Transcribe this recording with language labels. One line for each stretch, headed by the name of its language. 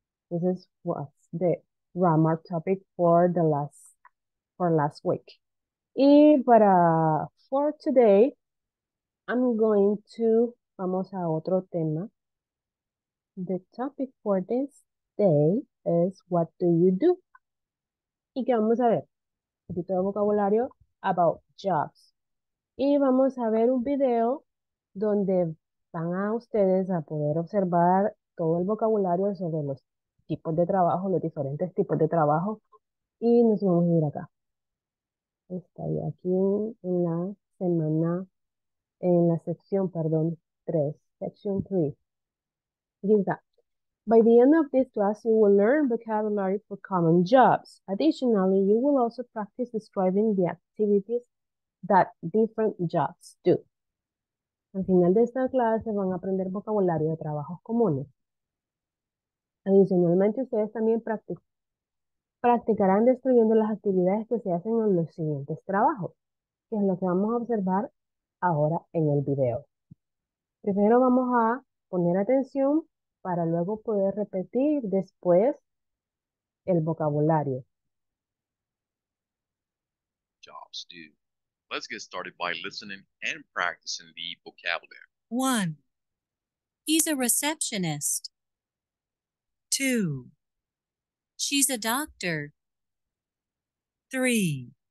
English: This is what the grammar topic for the last week.
Spanish: Y para
English: for today, I'm going to,
Spanish: vamos a otro tema.
English: The topic for this day is what do you do?
Spanish: Y que vamos a ver un poquito de vocabulario
English: about jobs.
Spanish: Y vamos a ver un video donde van a ustedes a poder observar todo el vocabulario sobre los tipos de trabajo, los diferentes tipos de trabajo. Y nos vamos a ir acá. Estaría aquí en la semana, en la sección, perdón, 3, section 3.
English: By the end of this class, you will learn vocabulary for common jobs. Additionally, you will also practice describing the activities that different jobs do.
Spanish: Al final de esta clase van a aprender vocabulario de trabajos comunes. Adicionalmente, ustedes también practicarán describiendo las actividades que se hacen en los siguientes trabajos, que es lo que vamos a observar ahora en el video. Primero vamos a poner atención para luego poder repetir después el vocabulario.
English: Jobs do. Let's get started by listening and practicing the vocabulary. 1. He's a receptionist. 2. She's a doctor. 3.